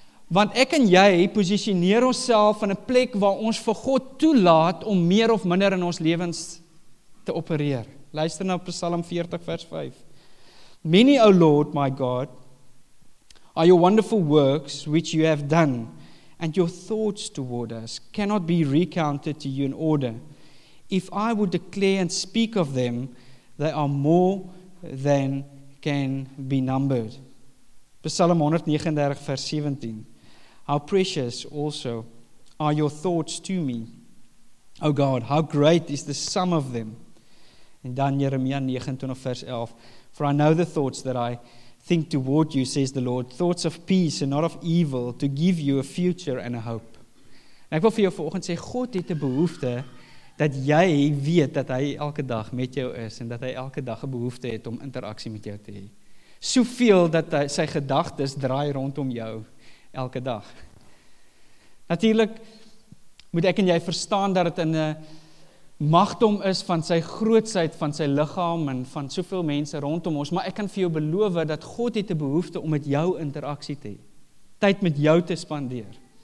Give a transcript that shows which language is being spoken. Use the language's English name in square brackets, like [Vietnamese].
[Afrikaans] Want ek en jy positioneer onsself in 'n plek waar ons vir God toelaat om meer of minder in ons lewens te opereer. Luister na Psalm 40 vers 5. [English] Many, O Lord, my God, are your wonderful works which you have done, and your thoughts toward us cannot be recounted to you in order. If I would declare and speak of them, they are more than can be numbered. Psalm 139 vers 17. How precious also are your thoughts to me, O God, how great is the sum of them. And then Jeremiah 29 verse 11, for I know the thoughts that I think toward you, says the Lord, thoughts of peace and not of evil, to give you a future and a hope. [Afrikaans] En ek wil vir jou vanoggend sê, God het 'n behoefte dat jy weet dat hy elke dag met jou is en dat hy elke dag 'n behoefte het om interaksie met jou te hê. Soveel dat hy, sy gedagtes draai rondom jou elke dag. Natuurlik moet ek en jy verstaan dat dit in 'n magdom is van sy grootsheid, van sy liggaam en van soveel mense rondom ons, maar ek kan vir jou beloof dat God het 'n behoefte om met jou interaksie te hê, tyd met jou te spandeer.